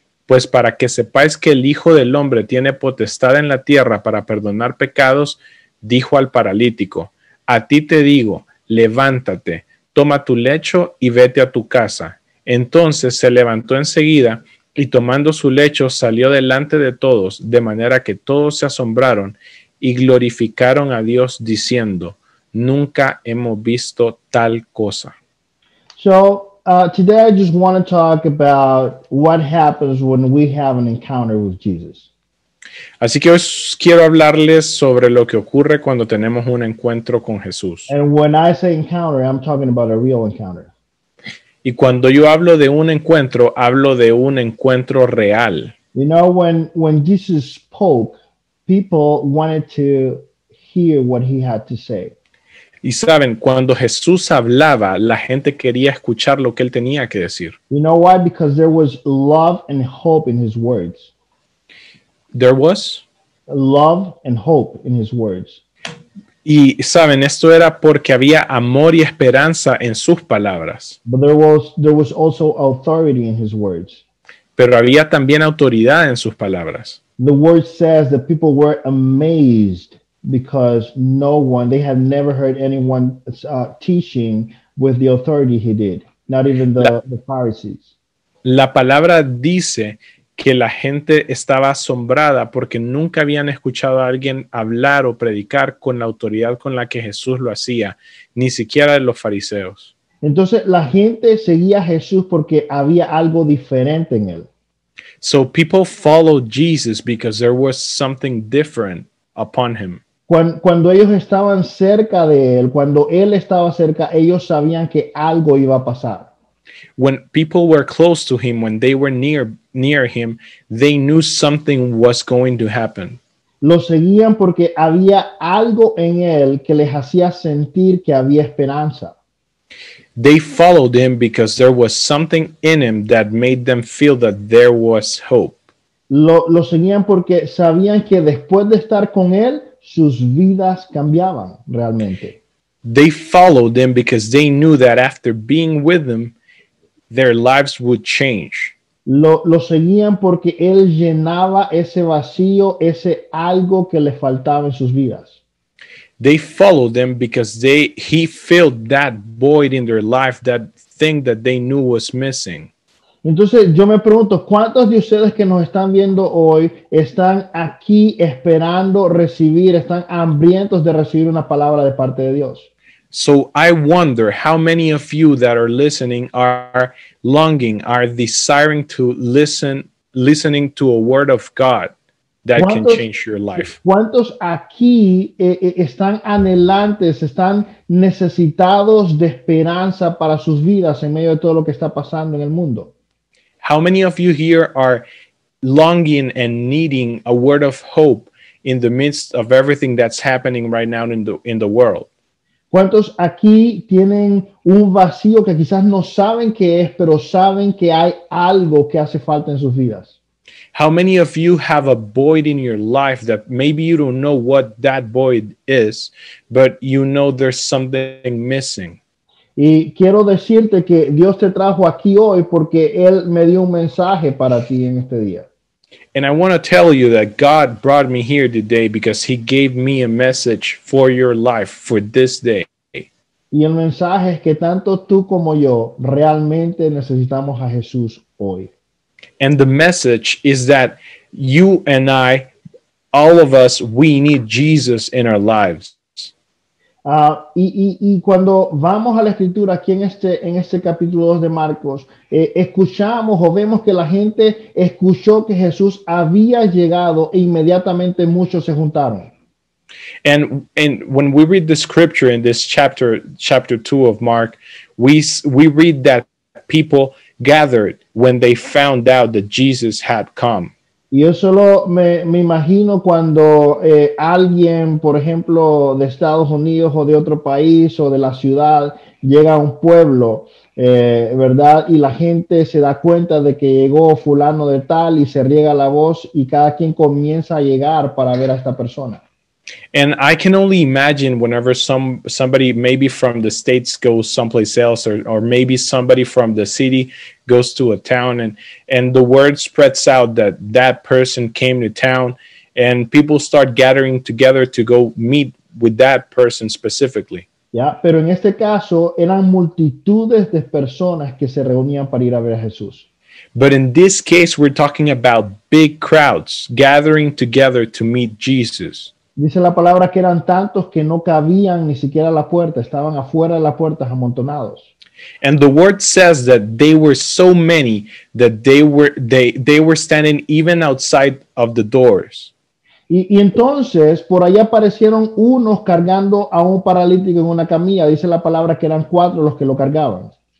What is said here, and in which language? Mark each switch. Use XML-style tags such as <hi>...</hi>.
<es>Pues para que sepáis que el Hijo del Hombre tiene potestad en la tierra para perdonar pecados, dijo al paralítico, a ti te digo, levántate, toma tu lecho y vete a tu casa. Entonces se levantó enseguida y tomando su lecho salió delante de todos, de manera que todos se asombraron y glorificaron a Dios diciendo, nunca hemos visto tal cosa.</es> <en>So today I just want to talk about what happens when we have an encounter with Jesus.</en> <es>Así que hoy quiero hablarles sobre lo que ocurre cuando tenemos un encuentro con Jesús.</es> <en>And when I say encounter, I'm talking about a real encounter.</en> <es>Y cuando yo hablo de un encuentro real.</es> <en>You know, when Jesus spoke, people wanted to hear what he had to say.</en> <es>Y saben, cuando Jesús hablaba, la gente quería escuchar lo que él tenía que decir.</es> <en>You know why? Because there was love and hope in his words. There was? Love and hope in his words.</en> <es>Y saben, esto era porque había amor y esperanza en sus palabras.</es> <en>But there was also authority in his words.</en> <es>Pero había también autoridad en sus palabras.</es> <en>The word says that people were amazed. Because no one, they had never heard anyone teaching with the authority he did, not even the Pharisees.</en> <es>La palabra dice que la gente estaba asombrada porque nunca habían escuchado a alguien hablar o predicar con la autoridad con la que Jesús lo hacía, ni siquiera de los fariseos. Entonces la gente seguía a Jesús porque había algo diferente en él.</es> <en>So people followed Jesus because there was something different upon him.</en> <es>Cuando ellos estaban cerca de él, cuando él estaba cerca, ellos sabían que algo iba a pasar.</es> <en>When people were close to him, when they were near him, they knew something was going to happen.</en> <es>Lo seguían porque había algo en él que les hacía sentir que había esperanza.</es> <en>They followed him because there was something in him that made them feel that there was hope.</en> <es>Lo seguían porque sabían que después de estar con él, sus vidas cambiaban realmente.</es> <en>They followed him because they knew that after being with him, their lives would change.</en> <es>Lo seguían porque él llenaba ese vacío, ese algo que le faltaba en sus vidas.</es> <en>They followed him because he filled that void in their life, that thing that they knew was missing.</en> <es>Entonces, yo me pregunto, ¿cuántos de ustedes que nos están viendo hoy están aquí esperando recibir, están hambrientos de recibir una palabra de parte de Dios?</es> <en>So I wonder how many of you that are listening are longing, are desiring to listening to a word of God that can change your life.</en> <es>¿Cuántos aquí están anhelantes, están necesitados de esperanza para sus vidas en medio de todo lo que está pasando en el mundo?</es> <en>How many of you here are longing and needing a word of hope in the midst of everything that's happening right now in the world?</en> <es>¿Cuántos aquí tienen un vacío que quizás no saben qué es, pero saben que hay algo que hace falta en sus vidas?</es> <en>How many of you have a void in your life that maybe you don't know what that void is, but you know there's something missing?</en> <es>Y quiero decirte que Dios te trajo aquí hoy porque Él me dio un mensaje para ti en este día.</es> <en>And I want to tell you that God brought me here today because He gave me a message for your life, for this day.</en> <es>Y el mensaje es que tanto tú como yo realmente necesitamos a Jesús hoy.</es> <en>And the message is that you and I, all of us, we need Jesus in our lives.</en> <es>Y cuando vamos a la escritura aquí en este capítulo 2 de Marcos, escuchamos o vemos que la gente escuchó que Jesús había llegado e inmediatamente muchos se juntaron.</es> <en>And when we read the scripture in this chapter 2 of Mark, we read that people gathered when they found out that Jesus had come.</en> <es>Y yo solo me imagino cuando alguien, por ejemplo, de Estados Unidos o de otro país o de la ciudad, llega a un pueblo, ¿verdad? Y la gente se da cuenta de que llegó fulano de tal y se riega la voz y cada quien comienza a llegar para ver a esta persona.</es> <en>And I can only imagine whenever somebody maybe from the States goes someplace else or maybe somebody from the city goes to a town and the word spreads out that person came to town and people start gathering together to go meet with that person specifically.</en> <es>Yeah, pero en este caso eran multitudes de personas que se reunían para ir a ver a Jesús.</es> <en>But in this case we're talking about big crowds gathering together to meet Jesus.</en> <es>Dice la palabra que eran tantos que no cabían ni siquiera a la puerta, estaban afuera de la puerta amontonados.</es> <en>And the word says that they were so many that they were standing even outside of the doors.</en> <es>Y entonces por ahí aparecieron unos cargando a un paralítico en una camilla. Dice la palabra que eran cuatro los que lo cargaban.</es>